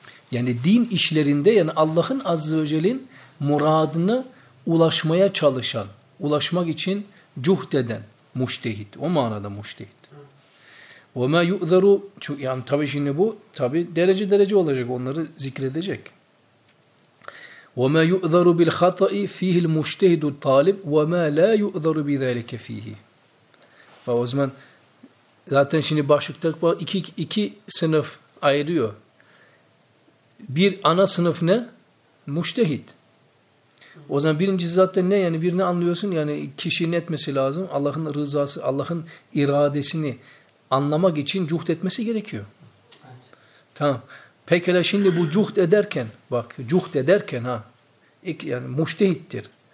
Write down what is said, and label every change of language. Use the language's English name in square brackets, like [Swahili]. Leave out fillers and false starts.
[Turkish] Yani din işlerinde yani Allah'ın azze ve celle'nin muradını ulaşmaya çalışan, ulaşmak için cuhd eden müştehid. O manada müştehid. [Arabic] وَمَا يُؤْذَرُ [Turkish] Yani tabi şimdi bu, tabi derece derece olacak, onları zikredecek. [Arabic] وَمَا يُؤْذَرُ بِالْخَطَئِ ف۪يهِ الْمُشْتَهِدُ الطَّالِبُ وَمَا لَا يُؤْذَرُ بِذَٰلِكَ ف۪يهِ [Turkish] Ve o zaman zaten şimdi başlıkta iki sınıf ayırıyor. Bir ana sınıf ne? Müştehid. O zaman birinci zaten ne? Yani birini anlıyorsun, yani kişinin etmesi lazım. Allah'ın rızası, Allah'ın iradesini anlamak için cuhd etmesi gerekiyor. Evet. Tamam. Pekala şimdi bu cuhd ederken, bak cuhd ederken ha, ilk yani müştehittir.